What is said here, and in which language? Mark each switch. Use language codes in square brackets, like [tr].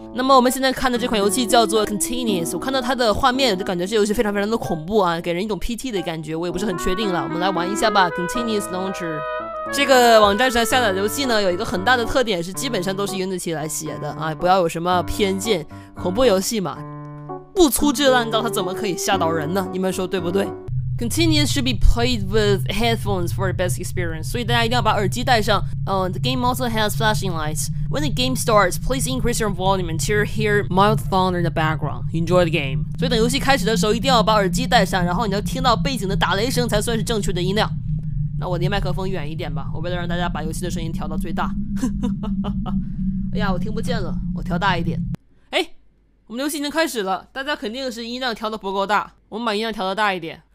[zh] 那么我们现在看的这款游戏叫做 Continuous， 我看到它的画面就感觉这游戏非常非常的恐怖啊，给人一种 PT 的感觉，我也不是很确定了，我们来玩一下吧。 Continuous Launcher 这个网站上下载的游戏呢，有一个很大的特点是基本上都是 Unity 来写的啊，不要有什么偏见，恐怖游戏嘛，不粗制滥造它怎么可以吓到人呢？你们说对不对？ [en] Continuous should be played with headphones for the best experience. [zh] 所以大家一定要把耳机戴上。 [en] The game also has flashing lights. When the game starts, please increase your volume until you hear mild thunder in the background. Enjoy the game. [zh] 所以等游戏开始的时候，一定要把耳机戴上，然后你要听到背景的打雷声才算是正确的音量。那我离麦克风远一点吧，我为了让大家把游戏的声音调到最大。哎呀，我听不见了，我调大一点。哎，我们游戏已经开始了，大家肯定是音量调的不够大，我们把音量调的大一点。